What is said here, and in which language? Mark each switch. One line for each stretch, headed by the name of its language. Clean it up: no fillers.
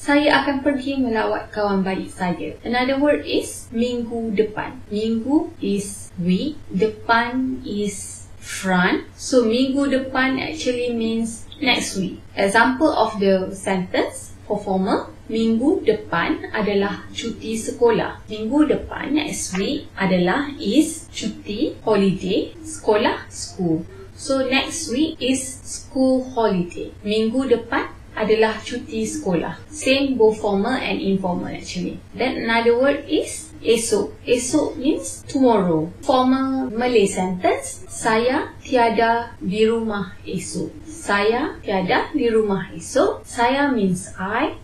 Malay: Saya akan pergi melawat kawan baik saya.
English: Another word is minggu depan. Minggu is week. Depan is front. So, minggu depan actually means next week. Example of the sentence for formal.
Malay: Minggu depan adalah cuti sekolah. Minggu depan, next week, adalah is cuti, holiday, sekolah, school.
English: So, next week is school holiday.
Malay: Minggu depan adalah cuti sekolah.
English: Same both formal and informal actually. Then another word is esok. Esok means tomorrow. Formal Malay sentence,
Malay: saya tiada di rumah esok. Saya tiada di rumah esok.
English: Saya means I.